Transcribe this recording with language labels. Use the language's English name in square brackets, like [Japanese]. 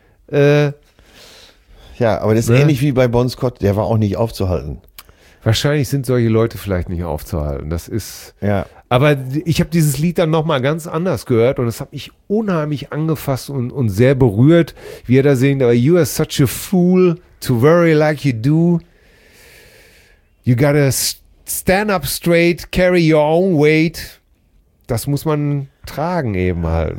[German] Ja, aber das ist ähnlich wie bei Bon Scott, der war auch nicht aufzuhalten. Wahrscheinlich sind solche Leute vielleicht nicht aufzuhalten. Das ist. Ja. Aber ich habe dieses Lied dann nochmal ganz anders gehört und das hat mich unheimlich angefasst und sehr berührt, wie er da singt, aber [English] you are such a fool to worry like you do. You gotta stand up straight, carry your own weight. [German] Das muss man tragen eben halt.